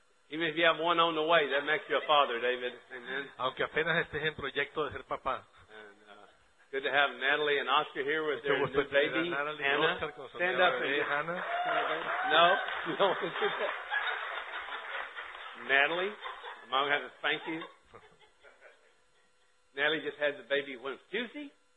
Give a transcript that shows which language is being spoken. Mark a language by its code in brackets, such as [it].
[en] Even if you have one on the way, that makes you a father, David. Amen. [es] Aunque apenas estés en proyecto de ser papá. [en] Good to have Natalie and Oscar here with their new baby, Hannah. Stand up, Hannah. No, no. Natalie, I'm going to have to thank you. Natalie just had the baby when Tuesday.